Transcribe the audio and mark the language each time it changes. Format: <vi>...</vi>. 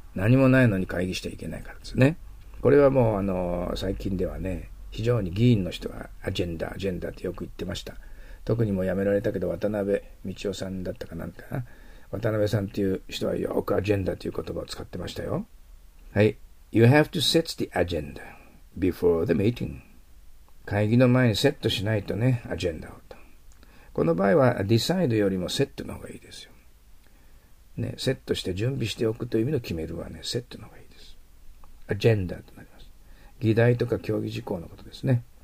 <ja>何もないのに会議してはいけないからですね。これはもう最近ではね、非常に議員の人がアジェンダ、アジェンダってよく言ってました。特にもう辞められたけど、渡辺道夫さんだったかなんかな。渡辺さんっていう人はよくアジェンダという言葉を使ってましたよ。はい。</ja> <en>You have to set the agenda before the meeting.</en> <ja>会議の前にセットしないとね、アジェンダをと。この場合は、decide よりもセットの方がいいですよ。ね、セットして準備しておくという意味の決めるはね、セットの方がいいです。アジェンダとなります。議題とか競技事項のことですね。</ja>